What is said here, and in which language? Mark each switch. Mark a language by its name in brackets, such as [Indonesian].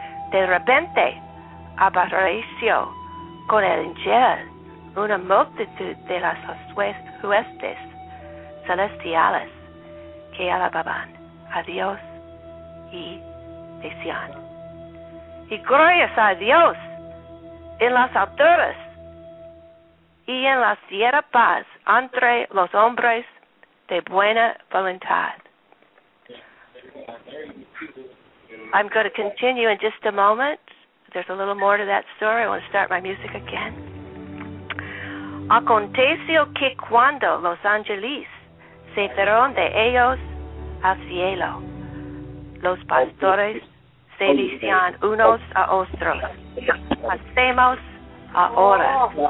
[Spanish] De repente apareció con el ángel una multitud de las huestes celestiales que alababan a Dios y decían: y glorias a Dios en las alturas, y en la tierra paz entre los hombres de buena voluntad. [English] I'm going to continue in just a moment. There's a little more to that story. I want to start my music again. [Spanish] Aconteció que cuando los ángeles se fueron de ellos al cielo, los pastores se decían unos a otros: hacemos ahora.